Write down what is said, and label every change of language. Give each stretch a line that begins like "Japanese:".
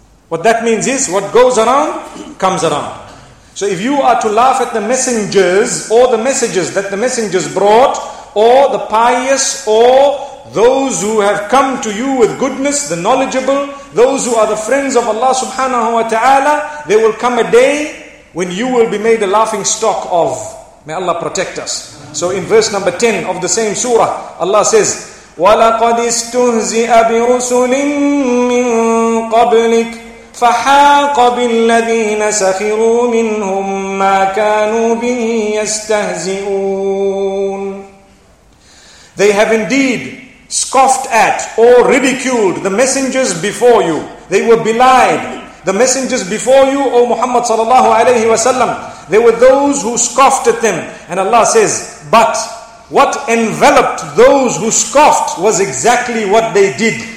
English: What that means is, what goes around, comes around. So if you are to laugh at the messengers, or the messages that the messengers brought, or the pious, or those who have come to you with goodness, the knowledgeable, those who are the friends of Allah subhanahu wa ta'ala, there will come a day when you will be made a laughing stock of. May Allah protect us. So in verse number 10 of the same surah, Allah says,
Arabic: وَلَقَدْ اِسْتُهْزِئَ بِرُسُلٍ مِّن قَبْلِكَ فَحَاقَ بِالَّذِينَ سَخِرُوا مِنْهُمْ مَا كَانُوا بِهِ يَسْتَهْزِئُونَ.
English: They have indeed scoffed at or ridiculed the messengers before you. They were belied. The messengers before you, O Muhammad sallallahu alayhi wa sallam, there were those who scoffed at them. And Allah says, but what enveloped those who scoffed was exactly what they did.